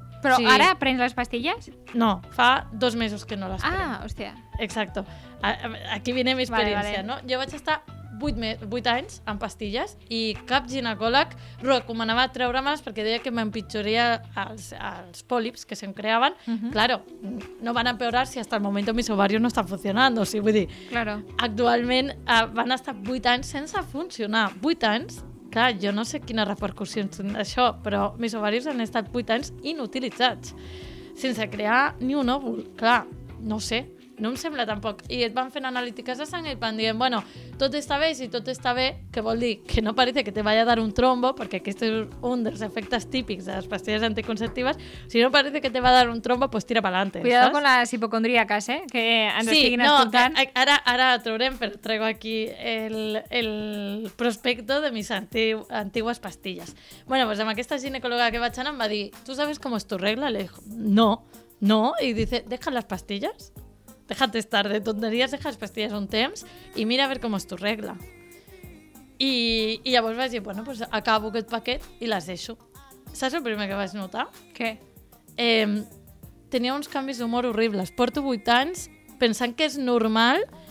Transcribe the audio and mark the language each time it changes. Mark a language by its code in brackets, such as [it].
[ca] Però sí. Ara prens les pastilles? No, fa 2 mesos que no les prenc. Ah, hòstia. [es] Exacto. Aquí viene mi [ca] experiència. Vale, vale. No? Jo vaig estar... 8 anys amb pastilles i cap ginecòleg recomanava treure-me'ls perquè deia que m'empitjoria els pòlips que se'm creaven. Uh-huh. [es] Claro, no van empeorar si hasta el moment mis ovarios no están funcionando. [ca] Sí, vull dir, [es] claro. [ca] Actualment van estar 8 anys sense funcionar. 8 anys, clar, jo no sé quines repercussions tenen d'això, però [es] mis ovarios [ca] han estat 8 anys inutilitzats, sense crear ni un òvul. Clar, no sé. No em sembla tampoc. I et van fent analítiques de sang i et van dient, bueno, tot està bé, si tot està bé, que vol dir que [es] no parece que te vaya a dar un trombo, [ca] perquè aquest és un dels efectes típics de les pastilles anticonceptives, [es] si no parece que te va a dar un trombo, pues tira pa'lante. Cuidado con las hipocondríacas, [ca] que ens [es] sí, [ca] estiguin escoltant. No, ara traurem, però [es] traigo aquí el prospecto de mis antigues pastilles. [ca] Bueno, pues amb aquesta ginecòloga que vaig anar em va dir, [es] ¿tú sabes cómo es tu regla? Le dijo, no. I dice, ¿dejas las pastillas? Déjate estar de tonteries, deja [ca] les pastilles un temps i mira a veure com és tu regla. I llavors vaig dir, bueno, pues acabo aquest paquet i les deixo. Saps el primer que vaig notar? Què? Tenia uns canvis d'humor horribles. Porto 8 anys pensant que és normal